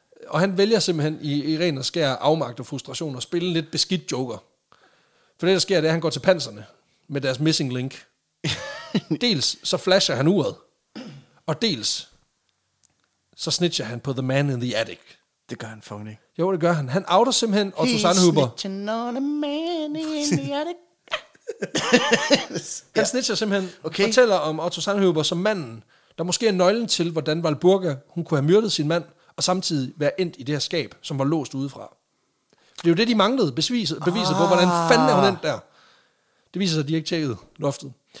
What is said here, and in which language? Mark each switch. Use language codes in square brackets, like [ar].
[da] Og han vælger simpelthen i ren og skær afmagt og frustration at spille en lidt beskidt joker. For det, der sker, det er, at han går til panserne med deres missing link. Dels så flasher han uret, og dels så snitcher han på [en] the man in the attic. [da] Det gør han fucking ikke. Jo, det gør han. Han outer simpelthen Otto Sandhuber. [en] He's snitching on a man in the attic. [da] Han snitcher simpelthen, okay. Fortæller om Otto Sandhuber som manden, der måske er nøglen til, hvordan Walburga, hun kunne have myrdet sin mand, og samtidig være endt i det her skab, som var låst udefra. Det er jo det, de manglede beviset på, hvordan fanden er hun endt der. Det viser sig, at de ikke tjekkede loftet.